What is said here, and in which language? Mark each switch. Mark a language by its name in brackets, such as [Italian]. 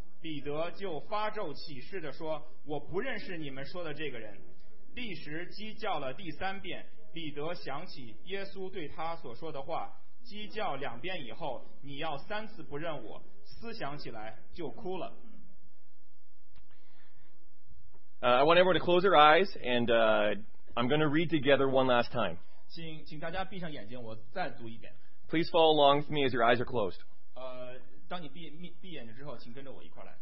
[Chinese] 彼得就发咒起誓地说，我不认识你们说的这个人。立时鸡叫了第三遍，彼得想起耶稣对他所说的话，鸡叫两遍以后，你要三次不认我，思想起来就哭了。 [English] I want everyone to close their eyes, and I'm going to read together one last time. [Chinese] 请大家闭上眼睛，我再读一遍。 [English] Please follow along with me as your eyes are closed. [Chinese] 当你闭眼睛之后，请跟着我一块来。